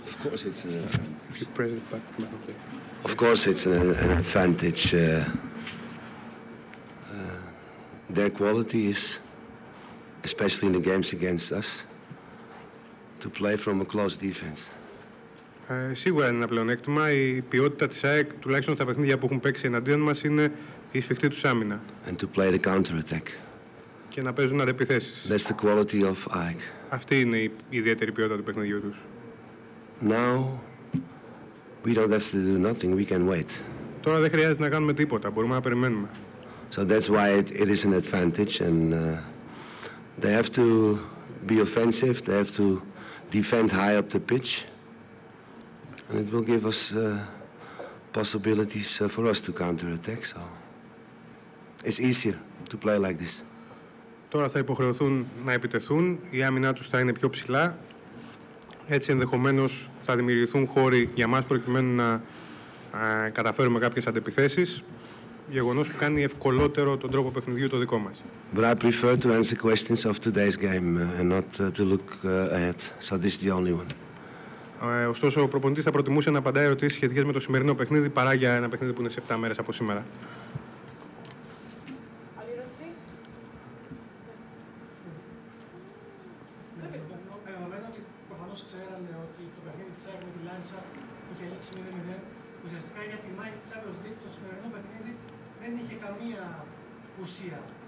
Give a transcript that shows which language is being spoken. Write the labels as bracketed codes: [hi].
[en] Of course it's an advantage. If you press it back, okay. Of course it's an advantage. Their quality is, especially in the games against us, to play from a close defense. [el] Σίγουρα είναι ένα πλεονέκτημα. Η ποιότητα της ΑΕΚ, τουλάχιστον στα παιχνίδια που έχουν παίξει εναντίον μας, είναι η σφιχτή τους άμυνα. [en] And to play the counter-attack. [el] Και να παίζουν αντεπιθέσεις. [en] That's the quality of ΑΕΚ. [el] Αυτή είναι η ιδιαίτερη ποιότητα του παιχνιδιού τους. [en] Now, we don't have to do nothing. We can wait. [el] Τώρα δεν χρειάζεται να κάνουμε τίποτα. Μπορούμε να περιμένουμε. [en] So that's why it is an advantage. And they have to be offensive. They have to defend high up the pitch. And it will give us possibilities for us to counter-attack, so it's easier to play like this. [el] Τώρα θα υποχρεωθούν να επιτεθούν, η άμυνά τους θα είναι πιο ψηλά. Έτσι ενδεχομένως θα δημιουργηθούν χώροι για μας προκειμένου να καταφέρουμε κάποιες αντεπιθέσεις. Γεγονός που κάνει ευκολότερο τον τρόπο παιχνιδιού το δικό μας. But I prefer to answer questions of today's game and not to look ahead, so this is the only one. Ωστόσο, ο προπονητής θα προτιμούσε να απαντάει ερωτήσεις σχετικές με το σημερινό παιχνίδι παρά για ένα παιχνίδι που είναι σε 7 μέρες από σήμερα. Άλλη ερώτηση. Δεδομένου ότι προφανώς ξέρανε ότι το παιχνίδι της ΑΕΚ με τη Λάρισα είχε λήξει 0-0, ουσιαστικά για τη Μάικ Τσάβερος Δίκ το σημερινό παιχνίδι δεν είχε καμία ουσία.